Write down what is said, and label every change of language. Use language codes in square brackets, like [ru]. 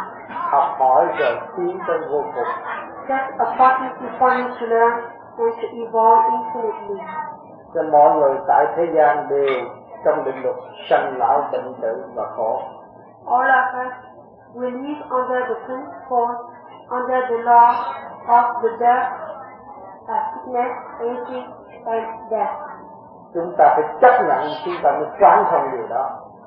[vi] Học hỏi rồi tiến tới vô cùng. [en] Just a possibility for you to learn and to evolve infinitely. [vi] Cho mọi người tại thế gian đều trong định luật sanh lão bệnh tử và khổ. [en] All of us will live under the principle, under the law of the death, sickness, aging and death. [vi] Chúng ta phải chấp nhận, chúng ta mới quán thông điều đó.